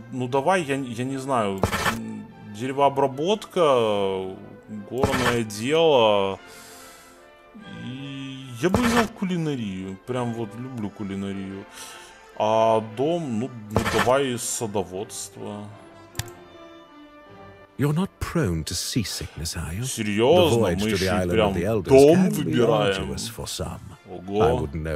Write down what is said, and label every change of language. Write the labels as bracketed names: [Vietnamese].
[Russian] Ну давай, я не знаю. Деревообработка. Горное дело. И я бы взял кулинарию. Прям вот люблю кулинарию. А дом, ну давай садоводство. [English] You're not prone to seasickness, are you? [Russian] Серьезно, мы еще прям дом выбираем. Ого.